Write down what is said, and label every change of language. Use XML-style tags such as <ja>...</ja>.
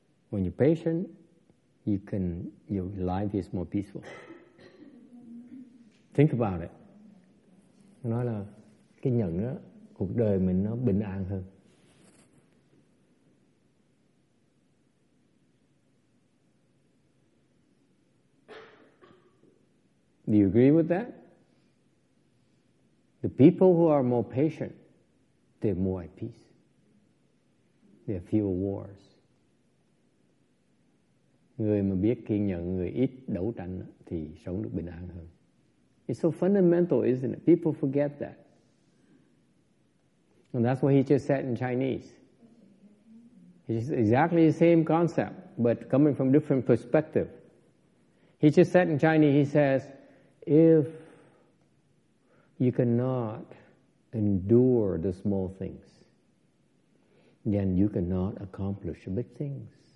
<en>When you're patient, your life is more peaceful. Think about it.</en> <vi>Nói là cái nhận đó, cuộc đời mình nó bình an hơn.</vi> <en>Do you agree with that? The people who are more patient, they're more at peace. They have fewer wars.</en> <vi>Người mà biết kiên nhẫn, người ít đấu tranh thì sống được bình an hơn.</vi> <en>It's so fundamental, isn't it? People forget that. And that's what he just said in Chinese. It's exactly the same concept, but coming from different perspective. He just said in Chinese, he says, if you cannot endure the small things, then you cannot accomplish the big things.</en>